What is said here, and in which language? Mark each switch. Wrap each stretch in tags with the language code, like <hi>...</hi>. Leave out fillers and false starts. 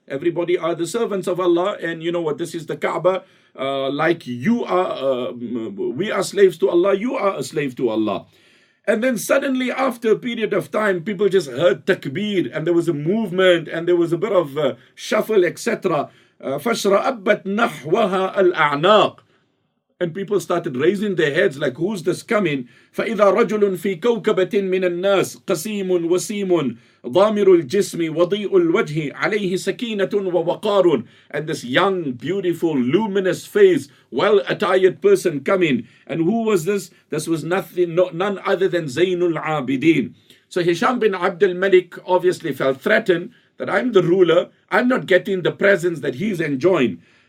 <en>Everybody are the servants of Allah, and you know what, this is the Kaaba, like you are, we are slaves to Allah, you are a slave to Allah. And then suddenly, after a period of time, people just heard takbir, and there was a movement, and there was a bit of shuffle, etc.</en> <ar>فَشْرَأَبَّتْ نَحْوَهَا الْأَعْنَاقِ,</ar> <en>and people started raising their heads, like, who's this coming?</en> <ar>فَإِذَا رَجُلٌ فِي كَوْكَبَةٍ مِنَ النَّاسِ قَسِيمٌ وَسِيمٌ ضَامِرُ الْجِسْمِ وَضِيءُ الْوَجْهِ عَلَيْهِ سَكِينَةٌ وَوَقَارٌ,</ar> <en>and this young, beautiful, luminous face, well-attired person coming. And who was this? This was none other than Zainul Abideen. So Hisham bin Abdul Malik obviously felt threatened that I'm the ruler, I'm not getting the presence that he's enjoying.</en>